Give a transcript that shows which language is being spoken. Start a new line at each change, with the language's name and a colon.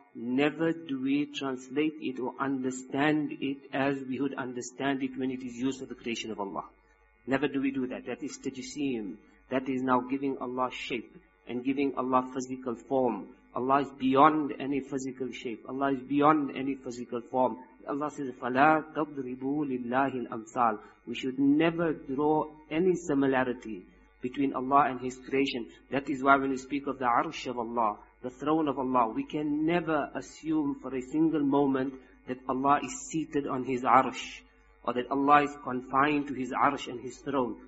English: never do we translate it or understand it as we would understand it when it is used for the creation of Allah. Never do we do that. That is tajseem. That is now giving Allah shape and giving Allah physical form. Allah is beyond any physical shape. Allah is beyond any physical form. Allah says,
Arabic: فَلَا تَضْرِبُوا لِلَّهِ الْأَمْثَالِ.
English: We should never draw any similarity between Allah and His creation. That is why when we speak of the Arsh of Allah, the throne of Allah, we can never assume for a single moment that Allah is seated on His Arsh, or that Allah is confined to His Arsh and His throne.